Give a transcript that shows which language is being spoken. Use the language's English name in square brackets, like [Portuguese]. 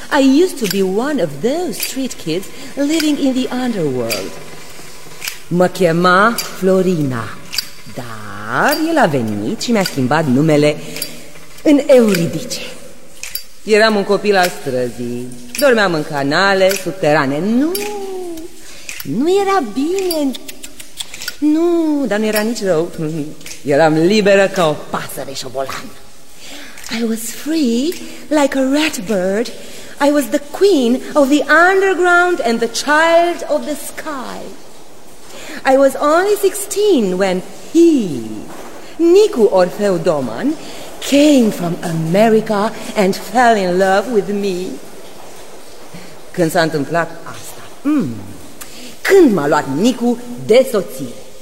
[English] I used to be one of those street kids living in the underworld. [Romanian] Mă chema Florina, dar el a venit și mi-a schimbat numele în Euridice. Eram un copil al străzii. Dormeam în canale, subterane. Nu era bine. Nu, dar nu era nici rău. Eram liberă ca o pasăre șobolan. [English] I was free like a rat bird. I was the queen of the underground and the child of the sky. I was only 16 when he, Nicu Orfeu Doman, came from America and fell in love with me. [Romanian] Când s-a întâmplat asta? Când m-a luat Nicu de soție?